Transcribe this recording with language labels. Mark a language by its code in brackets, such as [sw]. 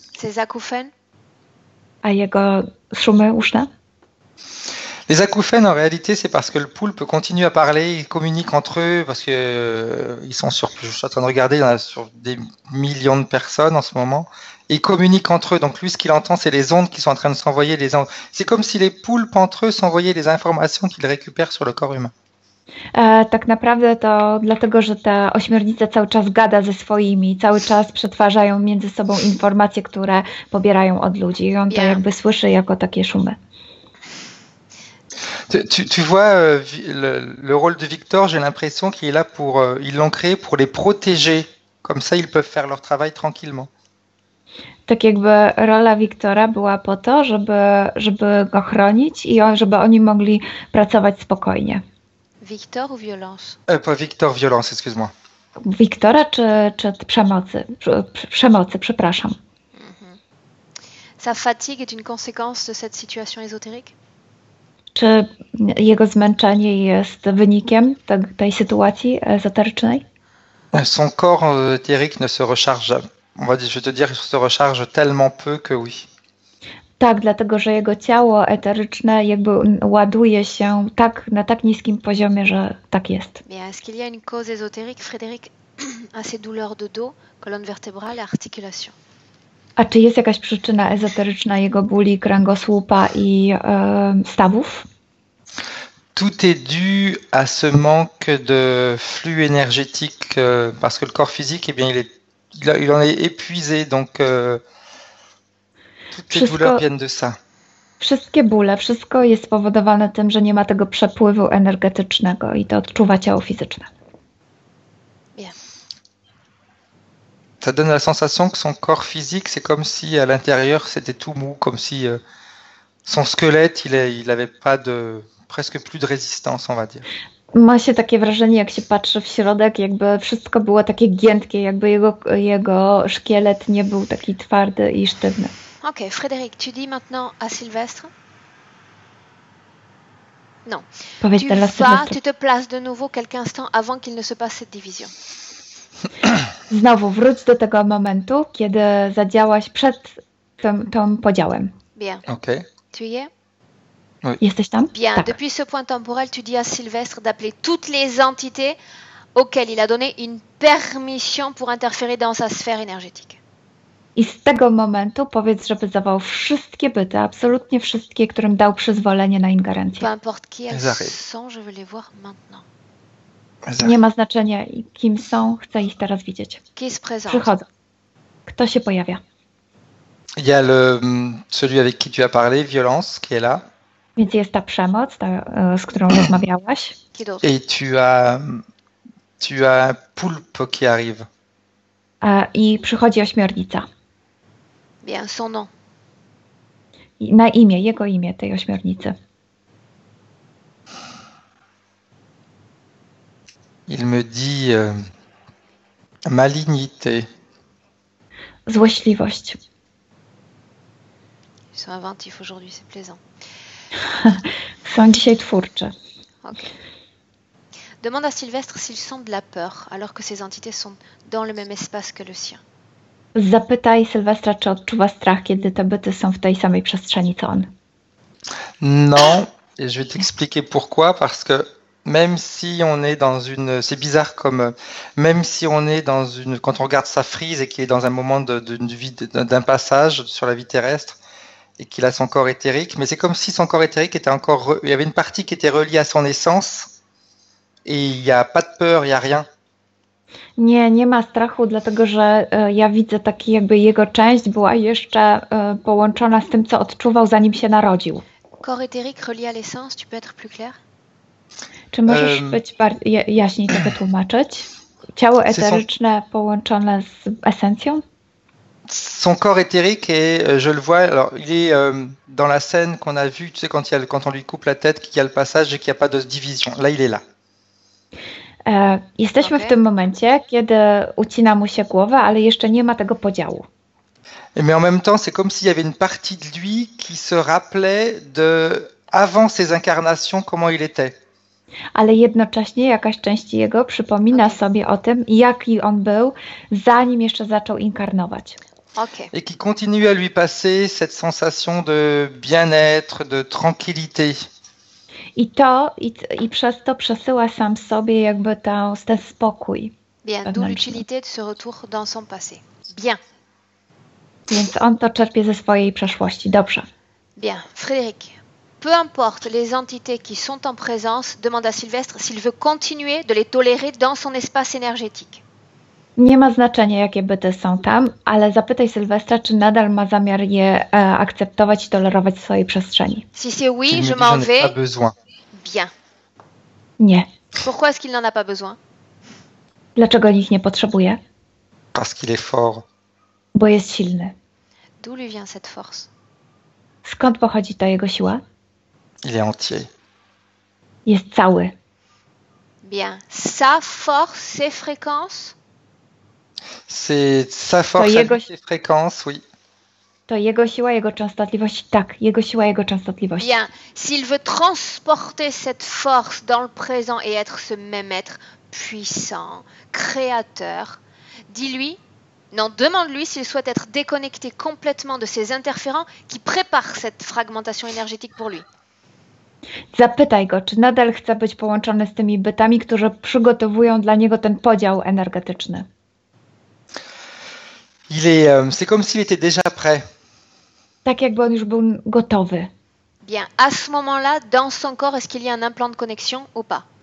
[fr] Ces acouphènes? [pl] A jego szumy uszne? [fr] Les acouphènes, en réalité, c'est parce que le poulpe continue à parler, ils communiquent entre eux, parce que, ils sont sur, je suis en train de regarder, il y en a sur des millions de personnes en ce moment, ils communiquent entre eux. Donc lui, ce qu'il entend, c'est les ondes qui sont en train de s'envoyer, les ondes. C'est comme si les poulpes entre eux s'envoyaient les informations qu'ils récupèrent sur le corps humain. [pl] Tak naprawdę to dlatego, że ta ośmiornica cały czas gada ze swoimi, cały czas przetwarzają między sobą informacje, które pobierają od ludzi, i on to [fr] Bien. [pl] jakby słyszy jako takie szumy. [fr] Tu vois le rôle de Victor, j'ai l'impression qu'il est là pour ils l'ont créé pour les protéger. Comme ça, ils peuvent faire leur travail tranquillement. [pl] Tak jakby rola Wiktora była po to, żeby go chronić i żeby oni mogli pracować spokojnie. [fr] Victor ou violence? Pas Victor, violence, excuse-moi. [pl] Wiktora czy przemocy, przepraszam. [fr] Sa fatigue est une conséquence de cette situation ésotérique? [pl] Czy jego zmęczenie jest wynikiem tej sytuacji ezoterycznej? [fr] Son corps éthérique ne se recharge, on va dire, je vais te dire, se recharge tellement peu que oui. [pl] Tak, dlatego że jego ciało eteryczne jakby ładuje się tak na tak niskim poziomie, że tak jest. [fr] Mais est-ce qu'il y a une cause ésotérique, Frédéric, à ces douleurs de dos, colonne vertébrale et articulation? [pl] A czy jest jakaś przyczyna ezoteryczna jego bóli kręgosłupa i stawów? [fr] Tout est dû à ce manque de flux énergétique parce que le corps physique, eh bien, il en est épuisé. Donc, toutes les douleurs viennent de ça. [pl] Wszystkie bóle, wszystko jest spowodowane tym, że nie ma tego przepływu energetycznego i to odczuwa ciało fizyczne. [fr] Ça donne la sensation que son corps physique, c'est comme si à l'intérieur, c'était tout mou, comme si son squelette, il avait pas de. Presque plus de résistance, on va dire. [pl] Ma się takie wrażenie, jak się patrzy w środek, jakby wszystko było takie giętkie, jakby jego szkielet nie był taki twardy i sztywny. [fr] Ok, Frédéric, tu dis maintenant à Sylvestre? Non. [pl] Powiedz [fr] Tu [pl] teraz [fr] vas, [pl] Sylwestre. [fr] tu te places de nouveau quelques instants avant qu'il ne se passe cette division. [pl] Znowu wróć do tego momentu, kiedy zadziałaś przed tym podziałem. [fr] Bien. Ok. Tu y es? Oui. [pl] Jesteś tam? [fr] Bien. [pl] Tak. [fr] Depuis ce point temporel, tu dis à Sylvestre d'appeler toutes les entités auxquelles il a donné une permission pour interférer dans sa sphère énergétique. [pl] I z tego momentu powiedz, żeby zawołał wszystkie byty, absolutnie wszystkie, którym dał przyzwolenie na ingerencję. [fr] Peu importe qui elles Elles arrivent. sont, je veux les voir maintenant. Elles [pl] Nie [fr] arrivent. [pl] ma znaczenia, kim są, chcę ich teraz widzieć. [fr] Qui se présente? [pl] Przychodzą. Kto się pojawia? [fr] Il y a celui avec qui tu as parlé, Violence, qui est là. [pl] Więc jest ta przemoc, z którą rozmawiałaś. [fr] Qui d'autre? Et tu as un poulpe qui arrive. [pl] I przychodzi ośmiornica. [fr] Bien, son nom. [pl] Na imię, jego imię tej ośmiornicy. [fr] Il me dit malignité. [pl] Złośliwość. [fr] Ils sont inventifs aujourd'hui, c'est plaisant. [pl] Są dzisiaj twórcze. [fr] Ok. Demande à Sylvestre s'il sent de la peur, alors que ces entités sont dans le même espace que le sien. [pl] Zapytaj Sylwestra, czy odczuwa strach, kiedy te byty są w tej samej przestrzeni co on. [fr] Non, et je vais t'expliquer pourquoi, parce que même si on est dans une. C'est bizarre comme. Même si on est dans une. Quand on regarde sa frise et qu'il est dans un moment d'un passage sur la vie terrestre et qu'il a son corps éthérique, mais c'est comme si son corps éthérique était encore. Il y avait une partie qui était reliée à son essence. Et il n'y a pas de peur, il n'y a rien. [pl] Nie, nie ma strachu, dlatego że ja widzę taki, jakby jego część była jeszcze połączona z tym, co odczuwał, zanim się narodził. [fr] Corps éthérique relié à l'essence, tu peux être plus clair? [pl] Czy możesz być jaśniej to wytłumaczyć? Ciało eteryczne połączone z esencją? [fr] Son corps éthérique et je le vois. Alors, il est dans la scène qu'on a vue. Tu sais, quand on lui coupe la tête, qu'il y a le passage et qu'il n'y a pas de division. Là, il est là. [pl] Jesteśmy w tym momencie, kiedy ucina mu się głowę, ale jeszcze nie ma tego podziału. [fr] Mais en même temps, c'est comme s'il y avait une partie de lui qui se rappelait de avant ses incarnations comment il était. [pl] Ale jednocześnie jakaś część jego przypomina sobie o tym, jaki on był, zanim jeszcze zaczął inkarnować. [fr] Okay. Et qui continue à lui passer cette sensation de bien-être, de tranquillité. [pl] I to, i przez to przesyła sam sobie jakby ten spokój. [fr] Bien, d'où l'utilité de ce retour dans son passé. Bien. [pl] Więc on to czerpie ze swojej przeszłości. Dobrze. [fr] Bien, Frédéric. Peu importe les entités qui sont en présence, demande à Sylvestre s'il veut continuer de les tolérer dans son espace énergétique. [pl] Nie ma znaczenia, jakie byty są tam, ale zapytaj Sylwestra, czy nadal ma zamiar je akceptować i tolerować w swojej przestrzeni. [fr] Si c'est oui, je m'en vais. Pas besoin. Bien. [pl] Nie. [fr] Pourquoi est-ce qu'il n'en a pas besoin? [pl] Dlaczego ich nie potrzebuje? [fr] Parce qu'il est fort. [pl] Bo jest silny. [fr] D'où lui vient cette force? [pl] Skąd pochodzi ta jego siła? [fr] Il est entier. [pl] Jest cały. [fr] Bien. Sa force, ses fréquences? C'est sa force, [pl] jego... [fr] ses fréquences, oui. [pl] To jego siła, jego częstotliwość? Tak, jego siła, jego częstotliwość. [fr] Bien. S'il veut transporter cette force dans le présent et être ce même être puissant, créateur, dis-lui... Non, demande-lui s'il souhaite être déconnecté complètement de ces interférents qui préparent cette fragmentation énergétique pour lui. [pl] Zapytaj go, czy nadal chce być połączony z tymi bytami, którzy przygotowują dla niego ten podział energetyczny. [fr] Il est, c'est comme s'il était déjà prêt. [pl] Tak jakby on już był gotowy. [fr] Bien, à ce moment-là, dans son corps, est-ce qu'il y a un implant de connexion ou pas?